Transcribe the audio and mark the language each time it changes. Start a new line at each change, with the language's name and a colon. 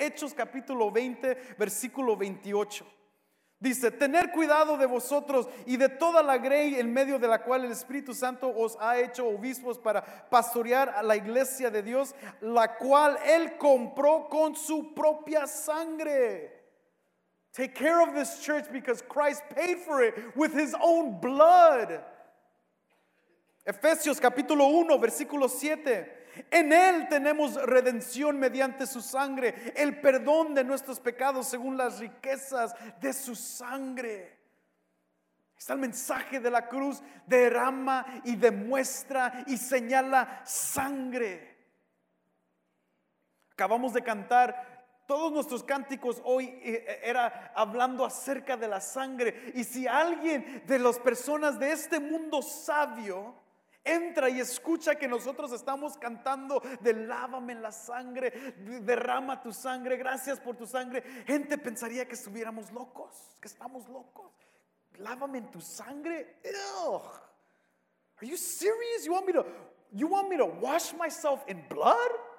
Spanish: Hechos capítulo 20, versículo 28. Dice, tener cuidado de vosotros y de toda la grey en medio de la cual el Espíritu Santo os ha hecho obispos para pastorear a la iglesia de Dios, la cual Él compró con su propia sangre.
English: Take care of this church because Christ paid for it with His own blood.
Spanish: Efesios capítulo 1, versículo 7. En Él tenemos redención mediante su sangre, el perdón de nuestros pecados según las riquezas de su sangre. Está el mensaje de la cruz, derrama y demuestra y señala sangre. Acabamos de cantar, todos nuestros cánticos hoy era hablando acerca de la sangre. Y si alguien de las personas de este mundo sabio entra y escucha que nosotros estamos cantando de lávame la sangre, derrama tu sangre, gracias por tu sangre. Gente pensaría que estuviéramos locos, que estamos locos. Lávame en tu sangre. Ew.
English: Are you serious? You want me to wash myself in blood?